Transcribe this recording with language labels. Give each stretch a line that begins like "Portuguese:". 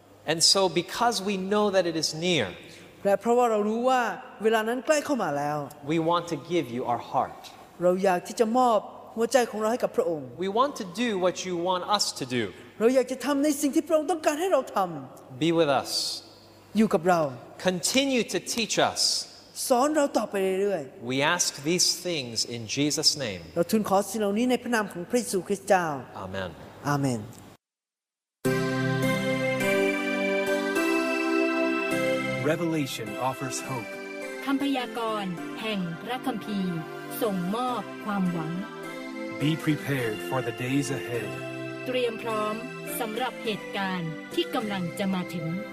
English: And so because we know that it is near,
Thai: และเพราะว่าเรารู้ว่าเวลานั้นใกล้เข้ามาแล้ว
English: We want to give you our heart.
Thai: เราอยากที่จะมอบหัวใจของเราให้กับพระองค์
English: We want to do what you want us to do.
Thai: เราอยากจะทำในสิ่งที่พระองค์ต้องการให้เราทำ
English: Be with us.
Thai: อยู่กับเรา
English: Continue to teach us
Thai: สอนเราต่อไปเรื่อย
English: ๆ We ask these things in Jesus name
Thai: เราทูลขอสิ่งเหล่านี้ในพระนามของพระเยซูคริสต์เจ้า
English: Amen Amen Revelation offers hope
Thai: คำพยากรณ์แห่งพระคัมภีร์ส่งมอบความหวัง
English: Be prepared for the days ahead
Thai: เตรียมพร้อมสำหรับเหตุการณ์ที่กำลังจะมาถึง